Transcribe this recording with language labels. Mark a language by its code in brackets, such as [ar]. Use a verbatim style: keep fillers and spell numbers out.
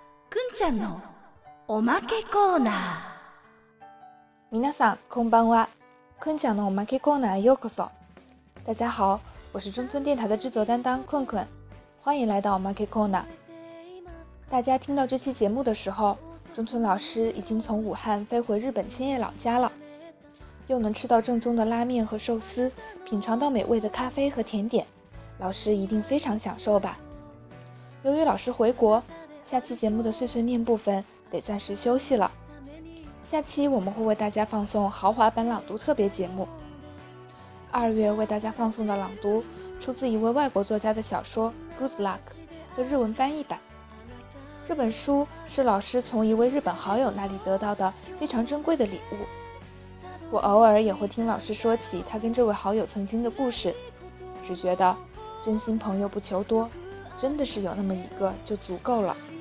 [ja] くんちゃんのおまけコーナー。皆さんこんばんは。くんちゃんのおまけコーナーへようこそ。 [zh] 大家好，我是中村电台的制作担当困困，欢迎来到おまけコーナー。大家听到这期节目的时候，中村老师已经从武汉飞回日本千叶老家了，又能吃到正宗的拉面和寿司，品尝到美味的咖啡和甜点，老师一定非常享受吧。由于老师回国，下期节目的碎碎念部分得暂时休息了，下期我们会为大家放送豪华版朗读特别节目。二月为大家放送的朗读出自一位外国作家的小说《Good Luck》的日文翻译版，这本书是老师从一位日本好友那里得到的非常珍贵的礼物。我偶尔也会听老师说起他跟这位好友曾经的故事，只觉得真心朋友不求多，真的是有那么一个就足够了。